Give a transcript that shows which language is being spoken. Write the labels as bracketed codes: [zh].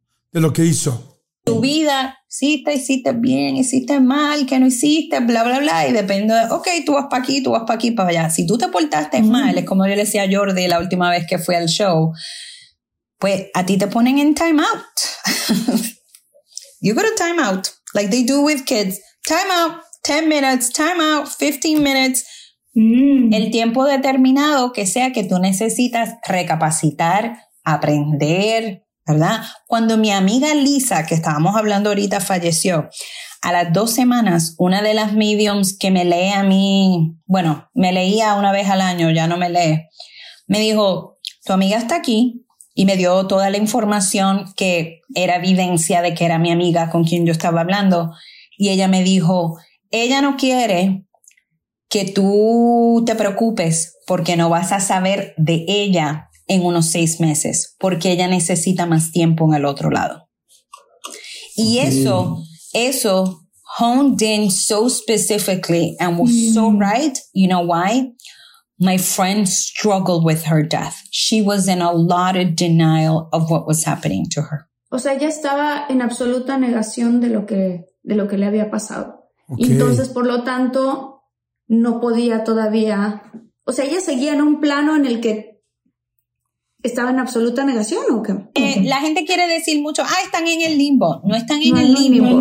[es] De lo que hizo. Tu vida, hiciste bien, hiciste mal, que no hiciste, bla, bla, bla. Y depende de, ok, tú vas para aquí, tú vas para aquí, para allá. Si tú te portaste mal, es como yo le decía a Jordi la última vez que fui al show, pues a ti te ponen en time out. [en] You got a time out, like they do with kids. Time out, 10 minutes, time out, 15 minutes. [es] El tiempo determinado que sea que tú necesitas recapacitar, aprender, ¿verdad? Cuando mi amiga Lisa, que estábamos hablando ahorita, falleció, a las 2 semanas, una de las mediums que me lee a mí, bueno, me leía una vez al año, ya no me lee, me dijo, tu amiga está aquí, y me dio toda la información que era evidencia de que era mi amiga con quien yo estaba hablando, y ella me dijo, ella no quiere que tú te preocupes porque no vas a saber de ella en unos 6 meses, porque ella necesita más tiempo en el otro lado. Y eso [en] honed in so specifically and was so right. You know why? My friend struggled with her death. She was in a lot of denial of what was happening to her. [es] O sea, ella estaba en absoluta negación de lo que le había pasado. Okay. Entonces, por lo tanto, no podía todavía, o sea, ella seguía en un plano en el que estaba en absoluta negación, ¿o qué? La gente quiere decir mucho, están en el limbo. No están en el limbo.